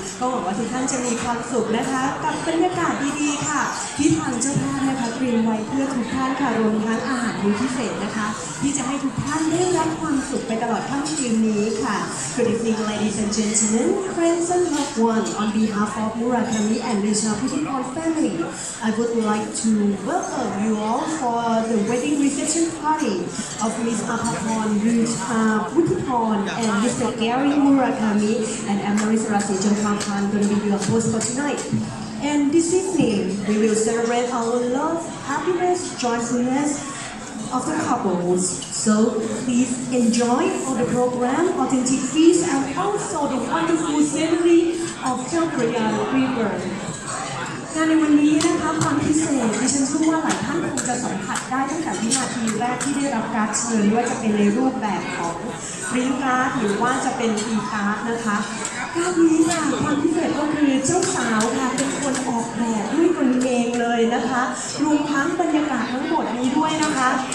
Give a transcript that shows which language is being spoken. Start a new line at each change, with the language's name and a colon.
Thai: ก็หวังว่าทุกท่านจะมีความสุขนะคะกับบรรยากาศดีๆค่ะที่ทางเจ้าภาพนะคะเตรียมไว้เพื่อทุกท่านค่ะรวมทั้งอาหารพิเศษนะคะที่จะให้ทุกท่านได้รับความสุขไปตลอดค่ำคืนนี้ค่ะ
English: Good evening ladies and gentlemen friends and loved ones on behalf of Murakami and Risha Putipoy family I would like to welcome you all for the wedding reception party of Ms. Ahapon Risha Putipoy and Mr. Gary Murakami and Amaris Rasi Jongkampan going to be your host for tonight and this evening we will celebrate our love, happiness, joyfulness,of the couples, so please enjoy all the program, authentic feast, and also the wonderful scenery of Chukrya River.
Thai: งานในวันนี้นะคะความพิเศษดิฉันเชื่อว่าหลายท่านคงจะสัมผัสได้ตั้งแต่วินาทีแรกที่ได้รับการเชิญว่าจะเป็นในรูปแบบของปริ้นการ์ดหรือว่าจะเป็นอีการ์ดนะคะการนี้ค่ะความพิเศษก็คือเจ้าสาวค่ะเป็นคนออกแบบด้วยตนเองเลยนะคะรวมทั้งบรรยากาศทั้งหมดนี้ด้วยนะคะ